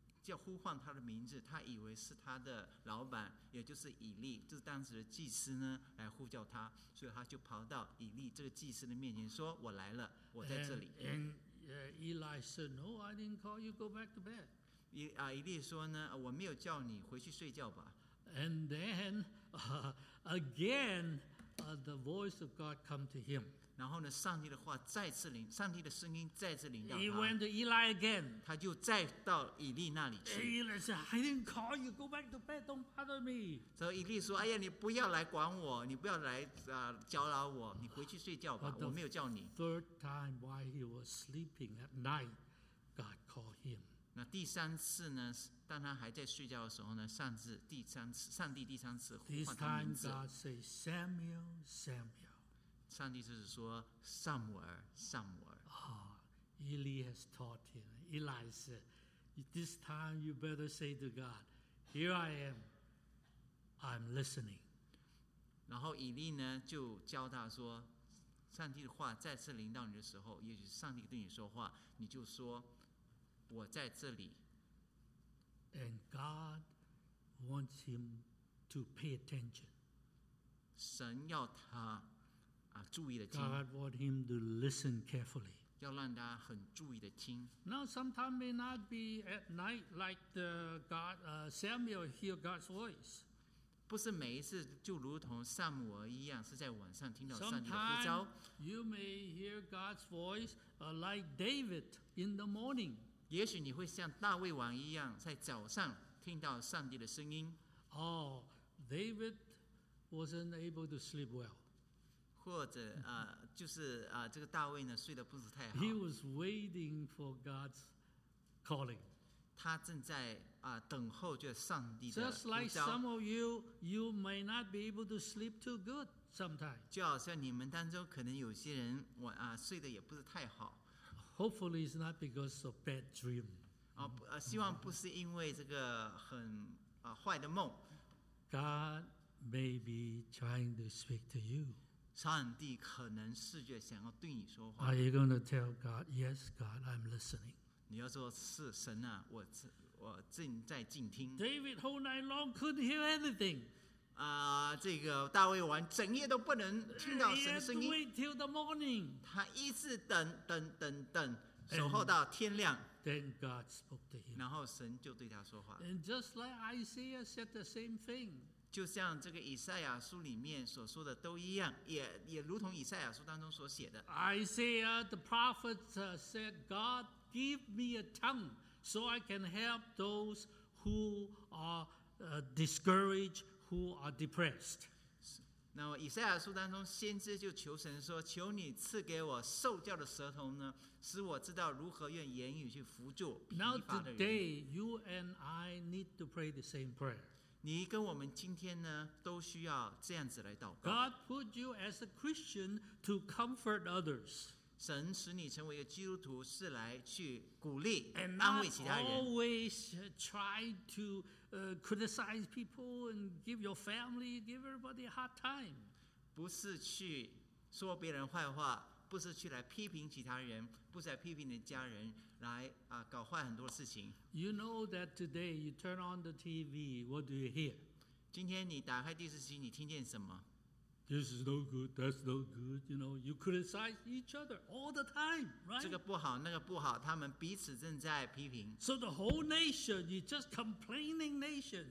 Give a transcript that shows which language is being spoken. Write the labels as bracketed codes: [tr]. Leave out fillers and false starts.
[zh] 叫呼唤他的名字，他以为是他的老板，也就是以利，就是当时的祭司呢，来呼叫他，所以他就跑到以利这个祭司的面前说：“我来了，我在这里。 [en] ”And Eli said, "No, I didn't call you. Go back to bed." [zh] 以利说呢：“我没有叫你回去睡觉吧。 [en] ”And then, again, the voice of God come to him. [zh] 然后呢，上帝的话再次临，上帝的声音再次临到他。 [en] He went to Eli again. [zh] 他就再到以利那里去。 [en] Eli said, "I didn't call you. Go back to bed. Don't bother me." [zh] 所以以利说：“哎呀，你不要来管我，你不要来搅扰我，你回去睡觉吧，我没有叫你。” [en] Third time, while he was sleeping at night, God called him. [zh] 那第三次呢？当他还在睡觉的时候呢，上帝第三次呼唤他名字。 [en] This time, God said, "Samuel, Samuel." [zh] 上帝就是说撒母耳撒母耳 [en] Eli has taught him. Eli said, this time you better say to God, here I am, I'm listening. [zh] 然后以利呢就教他说，上帝的话再次临到你的时候，也许上帝对你说话，你就说，我在这里， [en] And God wants him to pay attention. [zh] 神要他注意的听。 [en] God wants him to listen carefully. [zh] 要让他很注意的听。 [en] Now sometimes may not be at night like the God, Samuel hear God's voice. [zh] 不是每一次就如同撒母耳一样是在晚上听到上帝的呼召。 [en] Sometimes you may hear God's voice like David in the morning. [zh] 也许你会像大卫王一样在早上听到上帝的声音。 [en] Oh, David wasn't able to sleep well. [zh] 或者就是这个大卫呢睡得不是太好。 [en] He was waiting for God's calling. [zh] 他正在等候就上帝的呼召。 [en] Just like some of you, you may not be able to sleep too good sometimes. [zh] 就好像你们当中可能有些人睡得也不是太好。 [en] Hopefully it's not because of bad dream. [zh] 希望不是因为这个很坏的梦。 [en] God may be trying to speak to you. [zh] 上帝可能试着想要对你说话。 [en] Are you going to tell God, "Yes, God, I'm listening"? [zh] 你要说是神啊，我正在静听。 [en] David whole night long couldn't hear anything. [zh] 这个大卫王整夜都不能听到神的声音。 [en] He had to wait till the morning. [zh] 他一直等，守候到天亮。 [en] Then God spoke to him. [zh] 然后神就对他说话。 [en] And just like Isaiah said the same thing. [zh] 就像这个以赛亚书里面所说的都一样，也如同以赛亚书当中所写的。 [en] Isaiah the prophet said, "God, give me a tongue so I can help those who are discouraged, who are depressed." [zh] 那么以赛亚书当中，先知就求神说：“求你赐给我受教的舌头呢？” 使我知道如何用言语去扶助疲乏的人。 [en] Now today, you and I need to pray the same prayer. [zh] 你跟我们今天呢，都需要这样子来祷告。 [en] God put you as a Christian to comfort others. [zh] 神使你成为一个基督徒，是来去鼓励、 [en] and、 [zh] 安慰其他人。 [en] And not always try to criticize people and give your family, give everybody a hard time. [zh] 不是去说别人坏话。不是去来批评其他人，不是来批评你的家人，来搞坏很多事情。 [en] You know that today you turn on the TV, what do you hear? [zh] 今天你打开电视机，你听见什么 [en] ？This is no good, that's no good. You know, you criticize each other all the time, right? [zh] 这个不好，那个不好，他们彼此正在批评。 [en] So the whole nation, you just complaining nation.